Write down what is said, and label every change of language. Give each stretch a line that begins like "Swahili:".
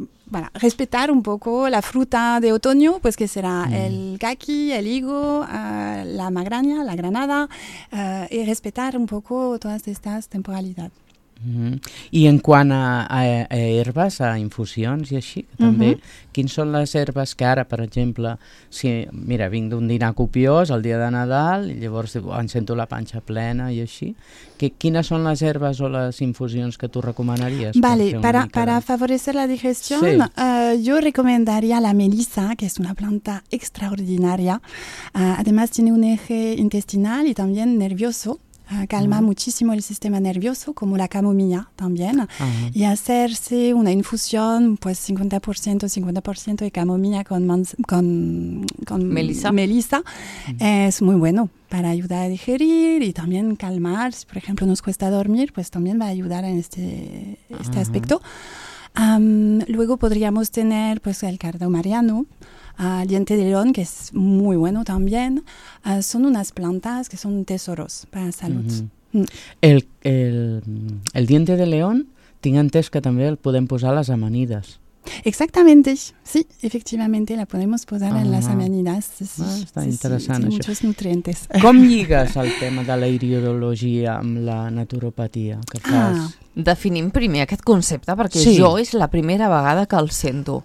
Spanish: Bueno, respetar un poco la fruta de otoño, pues que será el caqui, el higo, la magraña, la granada, y respetar un poco todas estas temporalidades.
Catalan: I en quant a herbes, a infusions i així, també, quins són les herbes que ara, per exemple, si, mira, vinc d'un dinar copiós el dia de Nadal i llavors em sento la panxa plena i així, quines són les herbes o les infusions que tu recomanaries?
Spanish: Vale, para favorecer la digestión, sí. Yo recomendaría la melissa, que es una planta extraordinaria, además tiene un eje intestinal y también nervioso. Calma muchísimo el sistema nervioso, como la camomilla también. Y hacerse una infusión, pues 50%, 50% de camomilla con melisa es muy bueno para ayudar a digerir y también calmar. Si, por ejemplo, nos cuesta dormir, pues también va a ayudar en este aspecto. Luego podríamos tener pues, el cardo mariano. Diente de león, que es muy bueno también, son unas plantas que son tesoros para la salud.
Catalan: El diente de león, tinc entès que també el podem posar a les amanides.
Spanish: Exactamente, sí, efectivamente la podemos posar en las amanidades. Sí, ah, está interesante. Sí, muchos nutrientes.
Catalan: Com lligues el tema de la iridologia amb la naturopatia? Que fas? Ah. Definim primer aquest concepte, perquè sí. Jo és la primera vegada que el sento.